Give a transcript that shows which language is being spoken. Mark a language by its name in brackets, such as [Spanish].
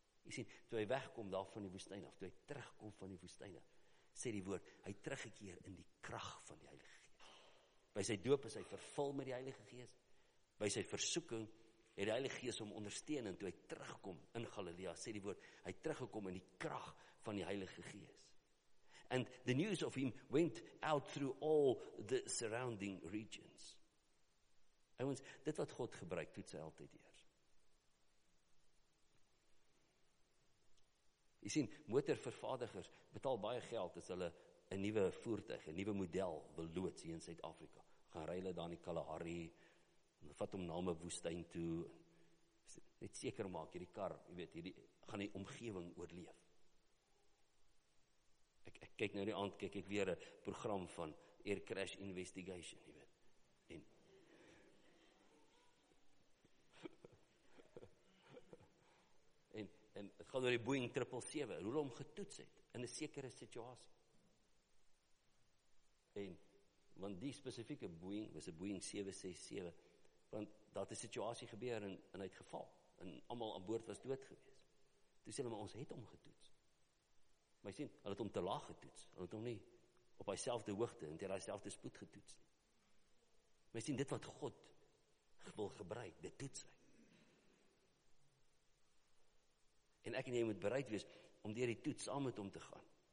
[Afrikaans] Jy sien, toe hy wegkom daar van die woestijn af, toe hy terugkom van die woestijn af, sê die woord, hy teruggekeer in die krag van die Heilige Gees. By sy doop is hy vervul met die Heilige Gees. By sy versoeking, het die Heilige Gees om ondersteun en toe hy terugkom in Galilea, sê die woord, hy teruggekom in die krag van die Heilige Gees. [English] And the news of him went out through all the surrounding regions. [Afrikaans] Ouens, dit wat God gebruik, toets hy altyd eers. Jy sien, motorvervaardigers betaal baie geld as hulle 'n nuwe voertuig, 'n nuwe model wil loods hier in Suid-Afrika. Gaan ry hulle daar in die Kalahari, en vat hom na 'n woestyn toe. Net seker maak hierdie kar, jy weet, hierdie gaan die omgewing oorleef. Ek kyk nou die aand, kyk ek weer 'n program van Air Crash Investigation, jy weet. En en dit gaan oor die Boeing 777, hoe hulle hom getoets het in 'n sekere situasie. En want die spesifieke Boeing was 'n Boeing 767. Want dat die situasie gebeur en hy het geval. En allemaal aan boord was dood gewees. Toe sê hulle, maar ons het hom getoets. Maar jy sien, hulle het hom te laag getoets. Hulle het hom nie op hy selfde hoogte en ter hy selfde spoed getoets. Maar jy sien, dit wat God wil gebruik, dit toets hy. En ek en jy moet bereid wees om deur die toets saam met hom te gaan.